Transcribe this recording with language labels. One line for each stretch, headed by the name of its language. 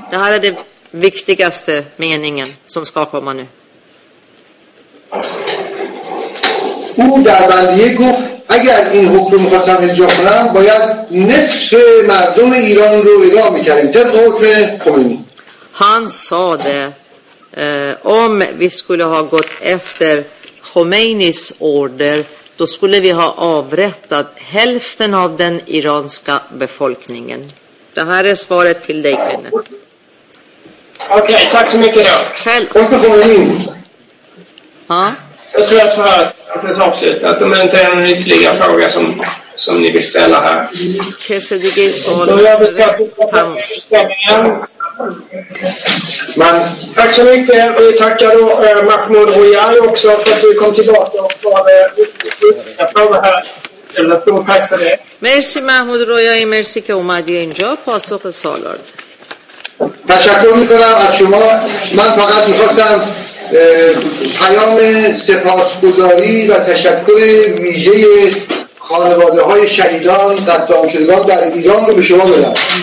Swedish: Det här är det viktigaste meningen som ska komma nu.
Persian: او در بندیه گفت اگر این حکم رو میخواستم اجرا کنم باید نصف مردم ایران رو اعدام میکردیم طبق حکم خمینی.
Swedish: هان ساده om vi skulle ha gått efter Khomeinis order då skulle vi ha avrättat hälften av den iranska befolkningen. Det här är svaret till dig, Kenneth. Okej, okay, tack så mycket då. Själv. Jag ska komma in. Ja? Jag tror att det är så avslut att det inte är en ytterligare fråga som ni vill ställa här. Kesedigi så håller det. Jag vill ställa mig igen. Men, tack så mycket. Vi tackar då Mahmoud Royal också för att du kom tillbaka och svarade riktigt på det här. Eller tack för det.
Persian: Merci Mahmoud Royal, merci که اومدی اینجا پاسخ سالار. تشکر میکنم از شما. من فقط میخواستم پیام سپاسگزاری و تشکر ویژه خانواده های شهیدان در دامشدگان در ایران رو به شما بدم.